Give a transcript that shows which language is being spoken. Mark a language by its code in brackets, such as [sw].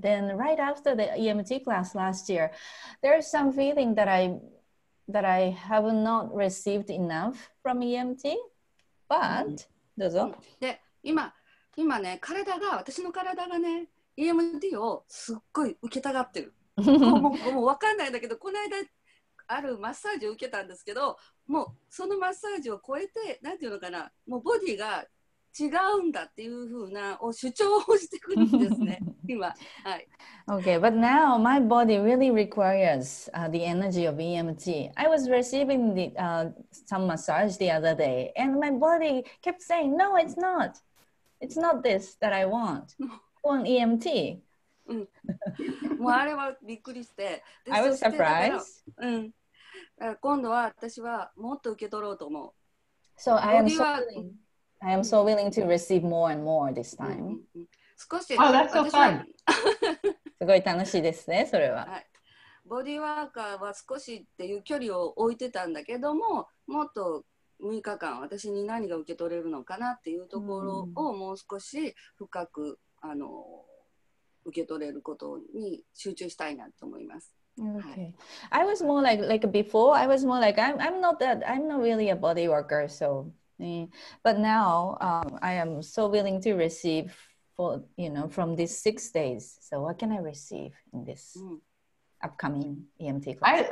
[en] Then right after the EMT class last year, there's some feeling that I have not received enough from EMT, but [ja] どうぞ。で、今ね、体が、私の体がね、EMT をすっごい受けたがってる。もう分かんないんだけど、この間あるマッサージを受けたんですけど、もうそのマッサージを超えて、なんていうのかな、もうボディが違うんだっていう風な主張をしてくるんですね、今。はい。 [en] Okay, but now my body really requires the energy of EMT. I was receiving some massage the other day, and my body kept saying, no, it's not. It's not this that I want. I want EMT. [ja] もうあれはびっくりして。 [en] I was surprised. [ja] うん。今度は私はもっと受け取ろうと思う。 [en] So I am so willing to receive more and more this time. [ja] 少し。 [en] Oh, that's so fun. [ja] すごい楽しいですね、それは。ボディワーカーは少しっていう距離を置いてたんだけども、もっと6日間私に何が受け取れるのかなっていうところをもう少し深く受け取れることに集中したいなと思います。 [en] Okay. はい、I was more like before, I was more like, I'm not really a body worker, so. But now, I am so willing to receive for, you know, from these 6 days. So what can I receive in this upcoming EMT class?